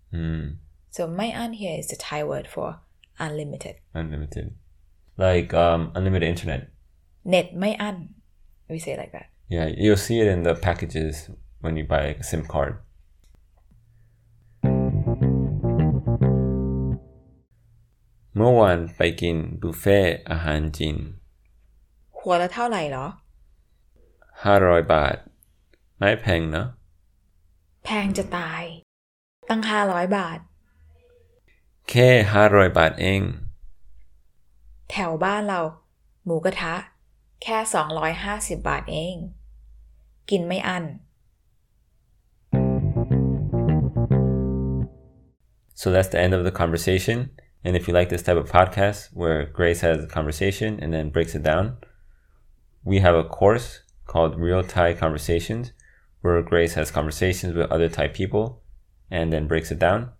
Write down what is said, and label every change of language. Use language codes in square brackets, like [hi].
[en] Mm. So mai an here is the Thai word for unlimited. Unlimited. Like unlimited internet. Net mai an. We say it like that. Yeah, you'll see it in the packages when you buy a SIM card. [th] เมื่อวานไปกินบุฟเฟ่อาหารจีน หัวละเท่าไหร่เหรอ 500บาทไม่แพงเนาะ แพงจะตายตั้ง500บาท แค่500บาทเอง แถวบ้านเราหมูกระทะแค่250บาทเองกินไม่อั้น [en] So that's the end of the conversationAnd if you like this type of podcast where Grace has a conversation and then breaks it down, we have a course called Real Thai Conversations where Grace has conversations with other Thai people and then breaks it down.